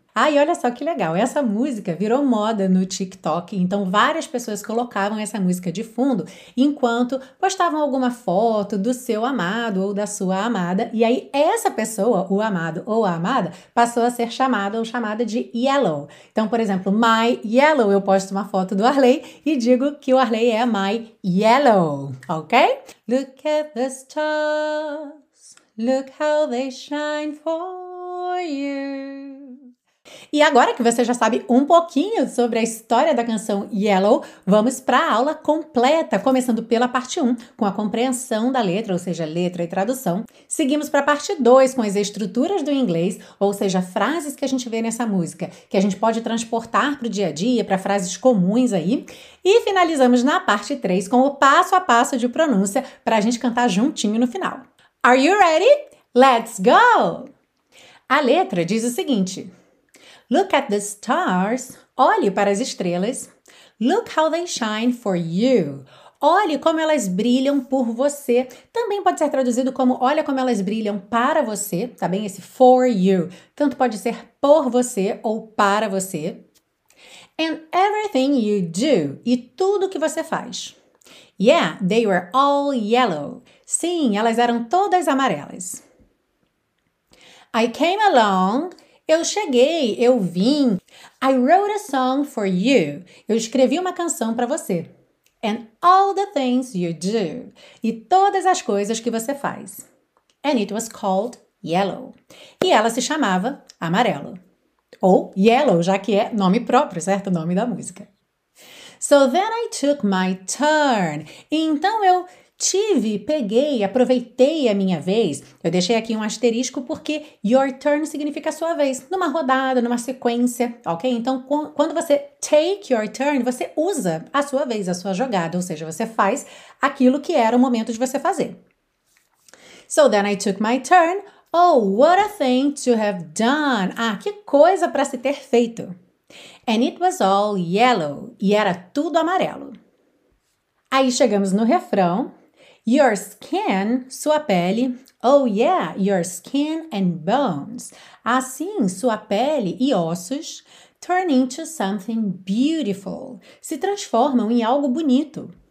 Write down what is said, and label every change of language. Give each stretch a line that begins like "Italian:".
Portuguese: Ah, e olha só que legal, essa música virou moda no TikTok, então várias pessoas colocavam essa música de fundo enquanto postavam alguma foto do seu amado ou da sua amada, e aí essa pessoa, o amado ou a amada, passou a ser chamada ou chamada de Yellow. Então, por exemplo, My Yellow, eu posto uma foto do Arley e digo que o Arley é My Yellow, ok?
English: Look at the stars, look how they shine for you.
Portuguese: E agora que você já sabe um pouquinho sobre a história da canção Yellow, vamos para a aula completa, começando pela parte 1, com a compreensão da letra, ou seja, letra e tradução. Seguimos para a parte 2, com as estruturas do inglês, ou seja, frases que a gente vê nessa música, que a gente pode transportar para o dia a dia, para frases comuns aí. E finalizamos na parte 3, com o passo a passo de pronúncia, para a gente cantar juntinho no final.
English: Are you ready? Let's go!
Portuguese: A letra diz o seguinte...
English: Look at the stars,
Portuguese: olhe para as estrelas.
English: Look how they shine for you,
Portuguese: olhe como elas brilham por você. Também pode ser traduzido como olha como elas brilham para você, tá bem? Esse
English: for you,
Portuguese: tanto pode ser por você ou para você.
English: And everything you do,
Portuguese: e tudo que você faz.
English: Yeah, they were all yellow.
Portuguese: Sim, elas eram todas amarelas.
English: I came along...
Portuguese: Eu cheguei, eu vim.
English: I wrote a song for you.
Portuguese: Eu escrevi uma canção para você.
English: And all the things you do.
Portuguese: E todas as coisas que você faz.
English: And it was called Yellow.
Portuguese: E ela se chamava Amarelo. Ou Yellow, já que é nome próprio, certo? Nome da música.
English: So then I took my turn.
Portuguese: Então eu... Tive, peguei, aproveitei a minha vez. Eu deixei aqui um asterisco porque
English: your turn
Portuguese: significa sua vez. Numa rodada, numa sequência, ok? Então, quando você
English: take your turn,
Portuguese: você usa a sua vez, a sua jogada. Ou seja, você faz aquilo que era o momento de você fazer.
English: So then I took my turn. Oh, what a thing to have done.
Portuguese: Ah, que coisa para se ter feito.
English: And it was all yellow.
Portuguese: E era tudo amarelo. Aí chegamos no refrão,
English: your skin,
Portuguese: sua pele,
English: oh yeah, your skin and bones,
Portuguese: assim sua pele e ossos
English: turn into something beautiful,
Portuguese: se transformam em algo bonito.